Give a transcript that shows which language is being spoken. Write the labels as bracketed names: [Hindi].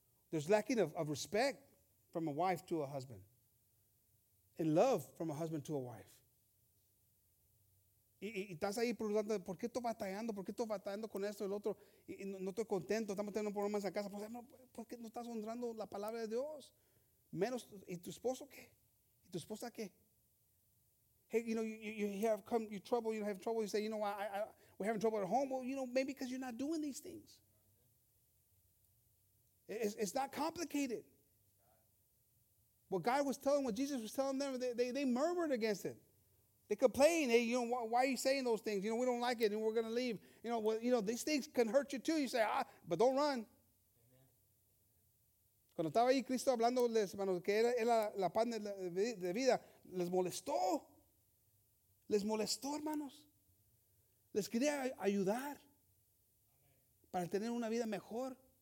[English] There's lacking of respect from a wife to a husband. In love from a husband to a wife. [Spanish] Y estás ahí preguntando, ¿por qué estoy batallando? ¿Por qué estoy batallando con esto y el otro? Y no estoy contento, estamos teniendo problemas en casa. ¿Por qué no estás honrando la palabra de Dios? Menos, ¿y tu esposo qué? ¿Y tu esposa qué? [English] Hey, you know, you have trouble, you say, you know, we're having trouble at home. Well, you know, maybe because you're not doing these things. It's not complicated. What God was telling, what Jesus was telling them, they murmured against it. They complained, hey, you know, why are you saying those things? You know, we don't like it and we're going to leave. You know, well, you know, these things can hurt you too. You say, but don't run. Amen. [Spanish] Cuando estaba ahí Cristo hablándoles, hermanos, que era la pan de vida, les molestó. Les molestó, hermanos. Les quería ayudar para tener una vida mejor.